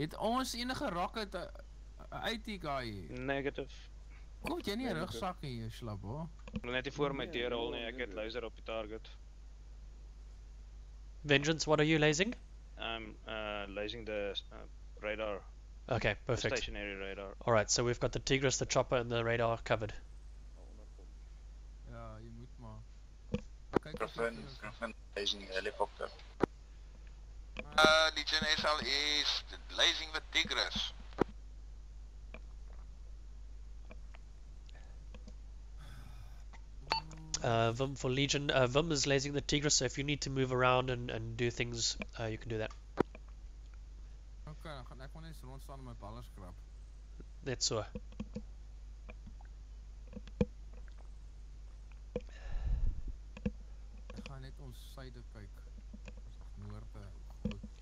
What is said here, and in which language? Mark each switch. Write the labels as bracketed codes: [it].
[af] Het ons enige [en] rocket IT guy? Negative. [af] Kom jy nie rugsak in jou slap, hoor? Ek wil net nie voor my deur hol nie, ek het laser op die target. [en] Vengeance, what are you lasing? I'm lasing the radar. Okay, perfect. The stationary radar. Alright, so we've got the Tigris, the chopper and the radar covered. [af] Ja, jy moet maar. [en] Griffin, lasing helicopter. Legion SL is lasing the Tigris. Vim for Legion. Vim is lasing the Tigris, so if you need to move around and do things, you can do that. [af] Okay, dan gaan ek maar net rond staan en my ballers krap. Net so. Ek gaan net ons syde kyk. Noorde.